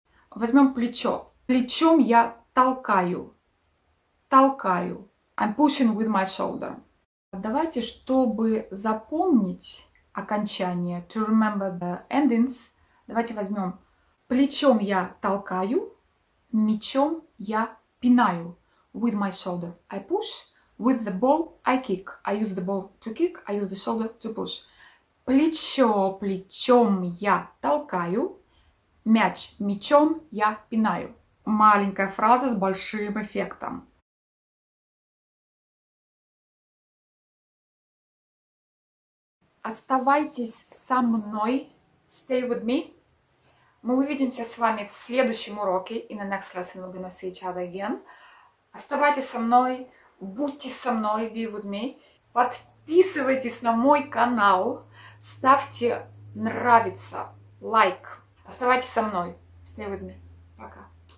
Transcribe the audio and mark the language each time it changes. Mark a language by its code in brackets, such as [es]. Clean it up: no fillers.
[ru] Возьмем плечо. Плечом я толкаю. Толкаю. [en] I'm pushing with my shoulder. [ru] Давайте, чтобы запомнить окончание, [en] to remember the endings, [ru] давайте возьмем. Плечом я толкаю, мечом я пинаю. [en] With my shoulder I push, with the ball I kick. I use the ball to kick, I use the shoulder to push. [ru] Плечо, плечом я толкаю, мяч мечом я пинаю. Маленькая фраза с большим эффектом. Оставайтесь со мной. [en] Stay with me. [ru] Мы увидимся с вами в следующем уроке. [en] In the next lesson we're gonna see each other again. [ru] Оставайтесь со мной. Будьте со мной. [en] Be with me. [ru] Подписывайтесь на мой канал. Ставьте нравится. Лайк. Оставайтесь со мной. [en] Stay with me. [ru] Пока.